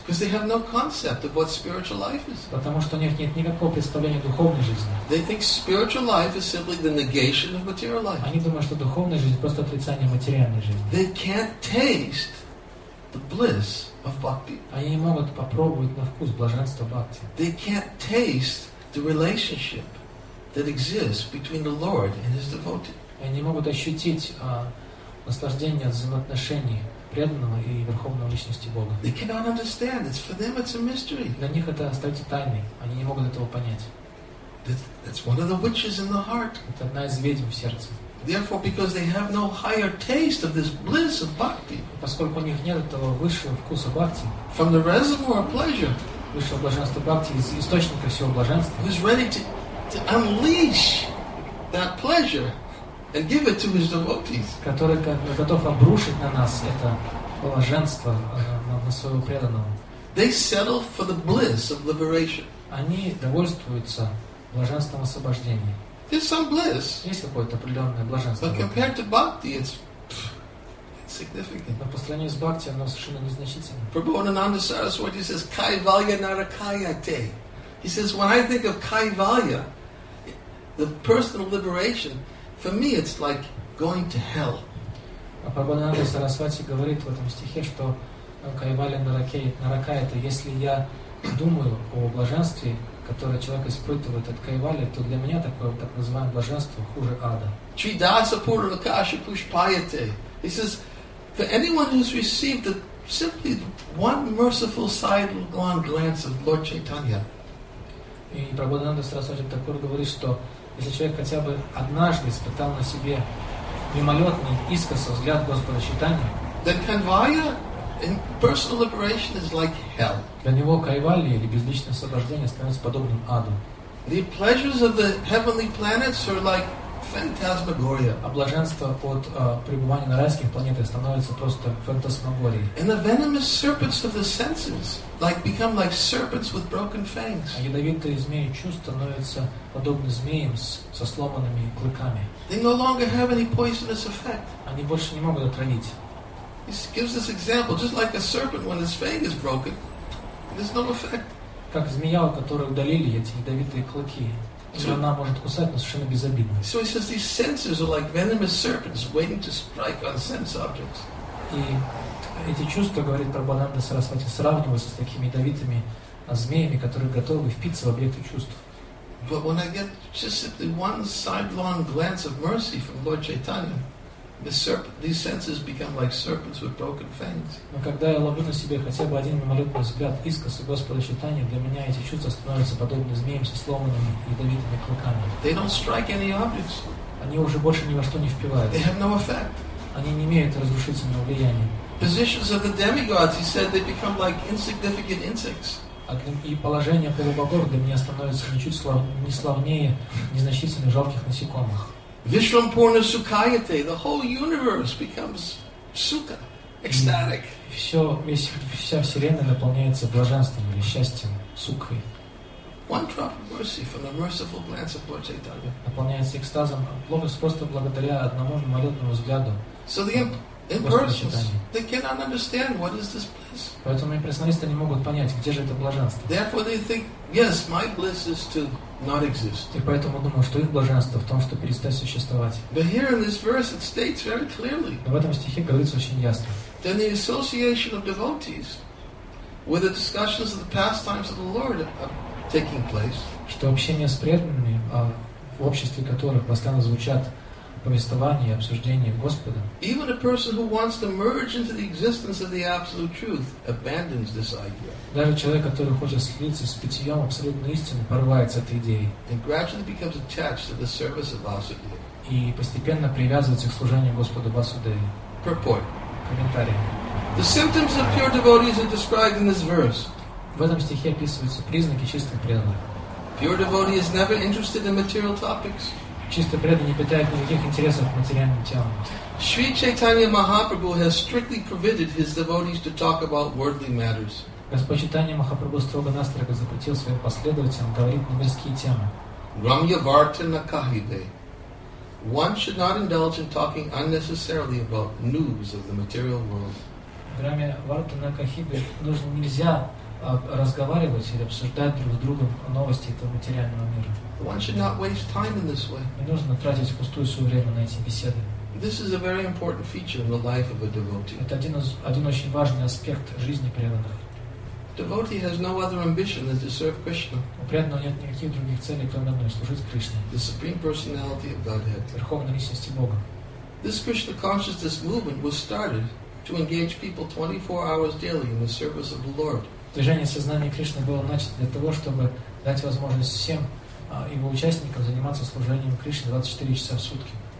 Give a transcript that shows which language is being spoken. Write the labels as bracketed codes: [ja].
[en] Because they have no concept of what spiritual life is. [ru] Потому что у них нет никакого представления о духовной жизни. [en] They think spiritual life is simply the negation of material life. [ru] Они думают, что духовная жизнь просто отрицание материальной жизни. [en] They can't taste the bliss of bhakti. [ru] Они не могут попробовать на вкус блаженства бхакти. [en] They can't taste the relationship that exists between the Lord and His devotee. [ru] Они не могут ощутить наслаждение от взаимоотношений преданного и верховного личности Бога. [en] They cannot understand. It's for them, it's a mystery. [ru] Для них это остается тайной. Они не могут этого понять. [en] That's one of the witches in the heart. [ru] Это одна из ведьм в сердце. [en] Therefore, because they have no higher taste of this bliss of bhakti, [ru] поскольку у них нет этого высшего вкуса бхакти, [en] from the reservoir of pleasure, [ru] высшего блаженства бхакти, из источника всего блаженства, [en] who is ready to unleash that pleasure and give it to his devotees, [ru] который готов обрушить на нас это блаженство на своего преданного, [en] they settle for the bliss of liberation. [ru] Они довольствуются блаженством освобождения. [en] There's some bliss. [ru] Есть какое-то определенное блаженство. [en] But compared to bhakti, it's significant. [ru] Но по сравнению с бхакти, оно совершенно незначительно. [en] Prabhu Ananda Saraswati says, [sa] "Kaivalya narakayate." [en] He says, "When I think of kaivalya, the personal liberation, for me, it's like going to hell." [ru] А Прабху Ананда Сарасвати говорит в этом стихе, что [sa] кайвалья наракаята, [ru] если я думаю о блаженстве, которое человек испытывает от кайвали, то для меня такое так называемое блаженство хуже ада. [sa] Чридаса Пурвакаши Пушпаяте. [en] He says, for anyone who's received the, simply one merciful sidelong glance of Lord Chaitanya. [ru] И Прабхупада Сарасвати Такур говорит, что если человек хотя бы однажды испытал на себе мимолетный искоса взгляд Господа Чайтаньи, [en] then kaivalya and personal liberation is like hell. [ru] Для него кайвали или безличное освобождение становится подобным аду. [en] The pleasures of the heavenly planets are like phantasmagoria. [ru] А блаженство от пребывания на райских планетах становится просто фантасмагорией. [en] And the venomous serpents of the senses like become like serpents with broken fangs. [ru] А ядовитые змеи чувств становятся подобны змеям со сломанными клыками. [en] They no longer have any poisonous effect. [ru] Они больше не могут отравить. [en] He gives this example, just like a serpent when its fang is broken, there's no effect. [ru] Как змея, у которой удалили эти ядовитые клыки, она может кусать, но совершенно безобидно. [en] So he says these senses are like venomous serpents waiting to strike on sense objects. [ru] И эти чувства, говорит Прабхупада Сарасвати, сравниваются с такими ядовитыми змеями, которые готовы впиться в объекты чувств. [en] But when I get just simply one sidelong glance of mercy from Lord Chaitanya, these senses become like serpents with broken fangs. [ru] Но когда я ловлю на себе хотя бы один мимолетный взгляд искоса Господа Чайтаньи, для меня эти чувства становятся подобны змеям со сломанными ядовитыми клыками. [en] They don't strike any objects. [ru] Они уже больше ни во что не впиваются. [en] They have no effect. [ru] Они не имеют разрушительного влияния. [en] Positions of the demigods, he said, they become like insignificant insects. [ru] И положение полубогов для меня становится ничуть не славнее незначительных жалких насекомых. [sa] Vishrampurna Sukhayate, [en] the whole universe becomes sukha, ecstatic. [ru] Вся вселенная наполняется блаженством или счастьем, сукхой. [en] One drop of mercy from the merciful glance of Lord Chaitanya. [ru] Наполняется экстазом, благость просто благодаря одному мимолетному взгляду. [en] So the impersonalists, they cannot understand what is this bliss. [ru] Поэтому имперсоналисты не могут понять, где же это блаженство. [en] Therefore they think, yes, my bliss is to not exist. [ru] И поэтому думаю, что их блаженство в том, что перестать существовать. [en] But here in this verse it states very clearly. [ru] В этом стихе говорится очень ясно. [en] Then the association of devotees with the discussions of the pastimes of the Lord are taking place. [ru] Что общение с преданными, в обществе которых постоянно звучат повествование и обсуждение Господа. [en] Even a person who wants to merge into the existence of the absolute truth abandons this idea. [ru] Даже человек, который хочет слиться с питьем абсолютной истины, порывает с этой идеей. [en] And gradually becomes attached to the service of Vasudeva. [ru] И постепенно привязывается к служению Господу Васудеве. [en] Purport. [ru] Комментарий. [en] The symptoms of pure devotees are described in this verse. [ru] В этом стихе описываются признаки чистых преданных. [en] Pure devotee is never interested in material topics. [ru] Чистый преданный не питает никаких интересов к материальным темам. [en] Шри Чайтанья Махапрабху has strictly prohibited his devotees to talk about worldly matters. [ru] Господь Чайтанья Махапрабху строго-настрого запретил своим последователям говорить на мирские темы. [sa] Рамья Вартана Кахиде. [en] One should not indulge in talking unnecessarily about news of the material world. [sa] Рамья Вартана Кахиде [ru] нужно нельзя разговаривать или обсуждать друг с другом новости этого материального мира. [en] One should not waste time in this way. [ru] Не нужно тратить пустую свое время на эти беседы. [en] This is a very important feature in the life of a devotee. [ru] Это один очень важный аспект жизни преданных. [en] Devotee has no other ambition than to serve Krishna. [ru] У преданного нет никаких других целей, кроме одной — служить Кришне. [en] The supreme personality of Godhead. [ru] Верховной личности Бога. [en] This Krishna consciousness movement was started to engage people 24 hours daily in the service of the Lord. [ru] Движение сознания Кришны было начато для того, чтобы дать возможность всем его участникам заниматься служением Кришне 24 часа в сутки.